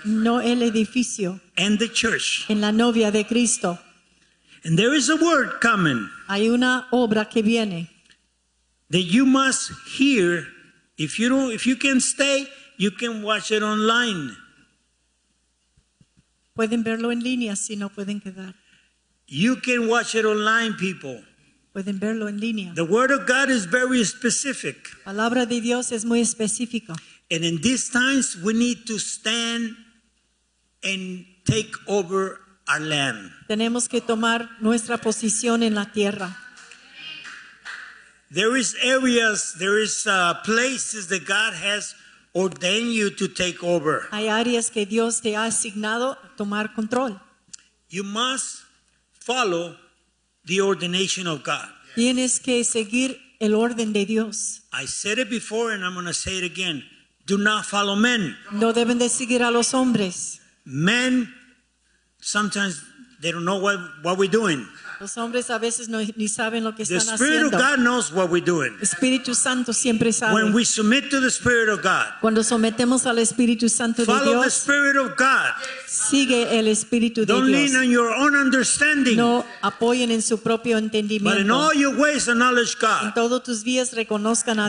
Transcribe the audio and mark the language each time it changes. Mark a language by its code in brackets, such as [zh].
[es] No el edificio. [en] And the church. [es] En la novia de Cristo. [en] And there is a word coming. [es] Hay una obra que viene. [en] That you must hear. If you can stay, you can watch it online. [es] Pueden verlo en línea si no pueden quedar. [en] You can watch it online, people. [es] Pueden verlo en línea. [en] The word of God is very specific. [es] Palabra de Dios es muy específica. [en] And in these times, we need to stand and take over our land. [es] Tenemos que tomar nuestra posición en la tierra. [en] There is areas, there is places that God has ordained you to take over. [es] Hay áreas que Dios te ha asignado a tomar control. [en] You must follow the ordination of God. [es] Tienes que seguir el orden de Dios. [en] I said it before and I'm going to say it again. Do not follow men. [es] No deben de seguir a los hombres. [en] Men, sometimes they don't know what we're doing. [es] Los hombres a veces no, ni saben lo que están [en] the Spirit [es] haciendo. [en] Of God knows what we're doing. [es] Espíritu Santo siempre sabe. [en] When we submit to the Spirit of God. [es] Cuando sometemos al Espíritu Santo [en] follow [es] de Dios. [en] Follow the Spirit of God. [es] Sigue el Espíritu [en] don't [es] de Dios. [en] Don't lean on your own understanding. [es] No apoyen en su propio entendimiento. [en] But in all your ways acknowledge God. [es] En todos tus días reconozcan a